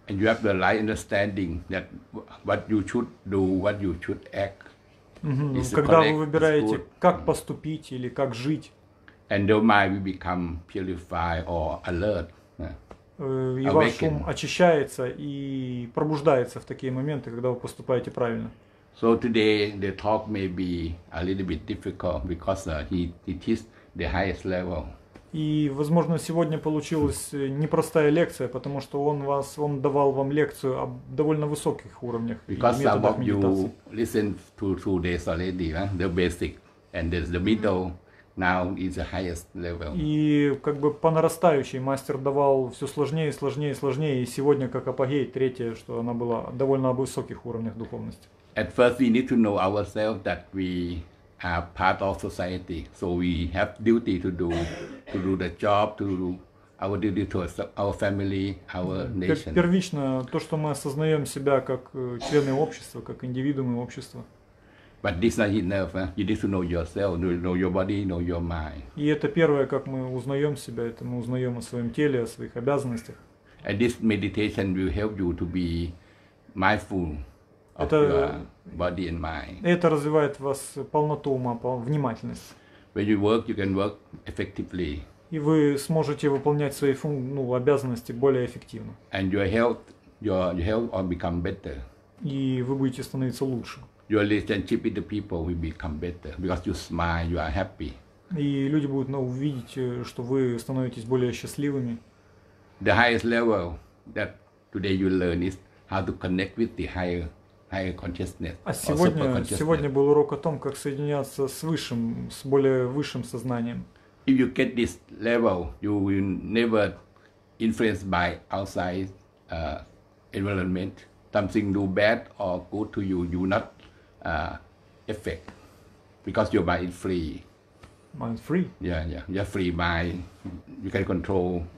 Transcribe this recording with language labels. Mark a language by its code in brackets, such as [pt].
[en] And you have the right understanding that what you should do, what you should act. Mm-hmm. Is [ru] когда [en] correct, [ru] вы выбираете, как поступить или как жить. [en] And your mind will become purified or alert. [ru] И ваш ум очищается и пробуждается в такие моменты, когда вы поступаете правильно. [en] So today the talk may be a little bit difficult because he teaches the highest level. [ru] И, возможно, сегодня получилась непростая лекция, потому что он давал вам лекцию о довольно высоких уровнях и методах медитации. [en] Because some of you listened to two days already, huh? The basic and the middle now is the highest level. [ru] И как бы по нарастающей мастер давал все сложнее, сложнее, сложнее. И сегодня как апогей третье, что она была довольно о высоких уровнях духовности. [en] At first we need to know ourselves that we are part of society, so we have duty to do the job, to do our duty to our family, our nation. [ru] Первично то, что мы осознаем себя как члены общества, как индивидуумы общества. [en] But this not enough. Huh? You need to know yourself, know your body, know your mind. [ru] И это первое, как мы узнаем себя, это мы узнаем о своем теле, о своих обязанностях. [en] And this meditation will help you to be mindful of [ru] это, [en] your body and mind. [ru] Это развивает в вас полноту ума, внимательность. [en] When you can work effectively. [ru] И вы сможете выполнять свои обязанности более эффективно. [en] And your health will become better. [ru] И вы будете становиться лучше. [en] Your relationship with the people will become better because you smile, you are happy. [ru] И люди будут увидеть, что вы становитесь более счастливыми. [en] The highest level that today you learn is how to connect with the higher consciousness. [ru] А сегодня был урок о том, как соединяться с высшим, с более высшим сознанием. [en] If you get this level, you will never influenced by outside environment. Something do bad or good to you, you not effect because your mind is free. Mind free? Yeah. You are free mind. You can control